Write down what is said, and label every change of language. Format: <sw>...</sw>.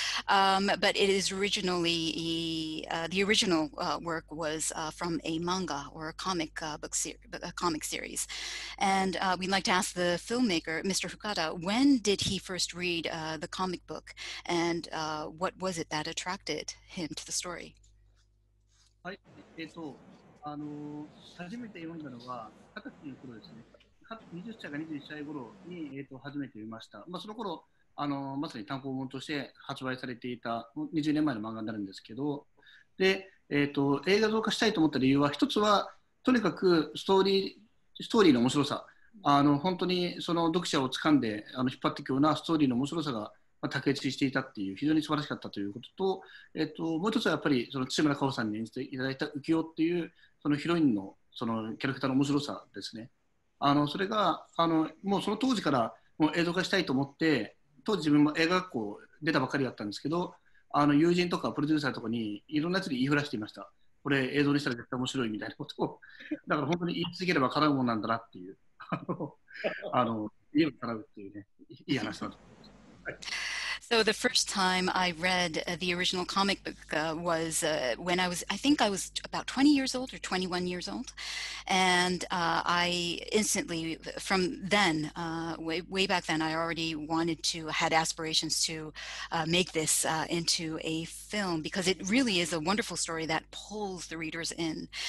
<en>But it is originally, the original work was from a manga or a comic book series, a comic series. And we'd like to ask the filmmaker, Mr. Fukada, when did he first read the comic book? And what was it that attracted him to the story? Hi, it's all.</en> <ja>初めて読んだのは20歳の頃ですね。 20歳か21歳頃に、初めて読みました。まあ、その頃、まさに単行本として発売されていた20年前の漫画になるんですけど、で、映画像化したいと思った理由は、一つはとにかくストーリーの面白さ、本当にその読者をつかんで引っ張っていくようなストーリーの面白さが卓越していたっていう、非常に素晴らしかったということと、もう一つはやっぱりその津村かおさんに演じていただいた浮世っていうそのヒロイン そのキャラクターの面白さですね。それがもうその当時からもう映像化したいと思って、当時自分も映画学校出たばかりだったんですけど、友人とかプロデューサーとかにいろんなやつに言いふらしていました。これ映像にしたら絶対面白いみたいなことを。だから本当に言い続ければ叶うもんなんだなっていう、言えば叶うっていうね、いい話だと。</ja> <en>So the first time I read the original comic book was when I was, I think I was about 20 years old or 21 years old. And I instantly, from then, way back then, I already had aspirations to make this into a film, because it really is a wonderful story that pulls the readers in.</en>